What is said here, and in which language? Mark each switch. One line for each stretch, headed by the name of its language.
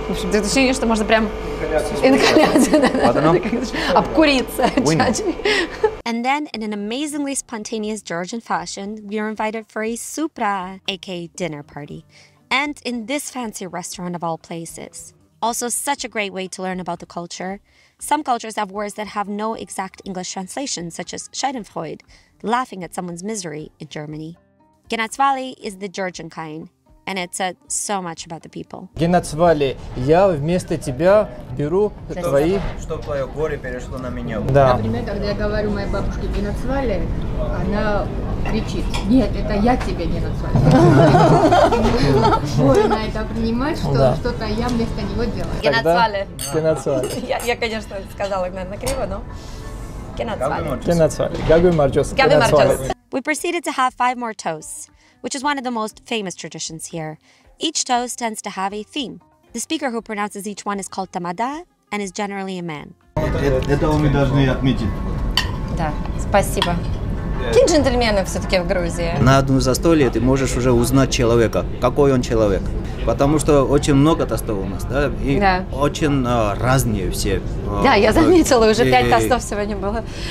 Russian: Ты ощущение, что можно прям обкуриться от чаджи.
English: And then, in an amazingly spontaneous Georgian fashion, we are invited for a supra, aka dinner party. And in this fancy restaurant of all places. Also, such a great way to learn about the culture. Some cultures have words that have no exact English translation, such as Schadenfreude, laughing at someone's misery, in Germany. Genatsvali is the Georgian kind, and it said so much about the people.
Russian: Genatsvali, я вместо тебя беру твои... Чтобы твое горе перешло на меня. Да. Например, когда я говорю моей бабушке Genatsvali, она кричит, нет, это я тебе Genatsvali. Она это принимает, что что-то я вместо него делаю.
Georgian: Genatsvali. Genatsvali.
Russian: Я, конечно, сказала, наверное, криво, но...
Georgian: Genatsvali. Genatsvali. Gabi Marjos.
English: We proceeded to have 5 more toasts, which is one of the most famous traditions here. Each toast tends to have a theme. The speaker who pronounces each one is called Tamada and is generally a man.
Russian: Это мы должны отметить. Да, спасибо. Какие джентльмены все-таки в Грузии? На одном застолье ты можешь уже узнать человека, какой он человек. Потому что очень много тостов у нас, да? И да. Очень разные все. Да, я заметила, уже 5 тостов сегодня было.